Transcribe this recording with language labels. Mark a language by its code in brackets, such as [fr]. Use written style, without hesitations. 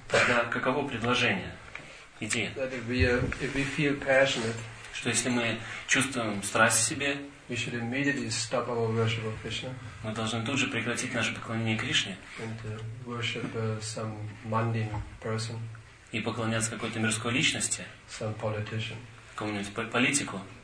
[ru] Тогда каково предложение? Идея. [en] That if we feel passionate. [ru] Что если мы чувствуем страсть в себе? [en] We should immediately stop our worship of Krishna. [ru] Мы должны тут же прекратить наше поклонение Кришне. [en] And worship some mundane person. [ru] И поклоняться какой-то мирской личности. [en] Some politician. [ru] Какому-нибудь политику.